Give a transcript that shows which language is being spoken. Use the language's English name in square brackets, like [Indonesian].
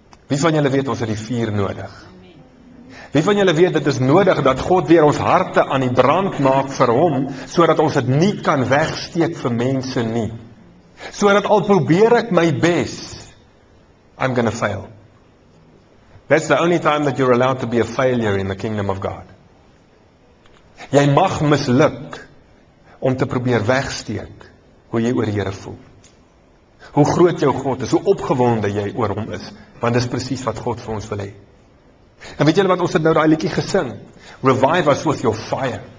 [Afrikaans] Wie van julle weet ons het die vuur nodig? Wie van julle weet, dit is nodig dat God weer ons harte aan die brand maak vir hom, sodat ons dit nie kan wegsteek vir mense nie. Sodat al probeer ek my bes, [English] I'm gonna fail. That's the only time that you're allowed to be a failure in the kingdom of God. [Afrikaans] Jy mag misluk om te probeer wegsteek hoe jy oor die Here voel. Hoe groot jou God is, hoe opgewonde jy oor hom is, want dis presies wat God vir ons wil hê. En weet julle wat, ons het nou daai liedjie gesing, [English] Revive us with your fire.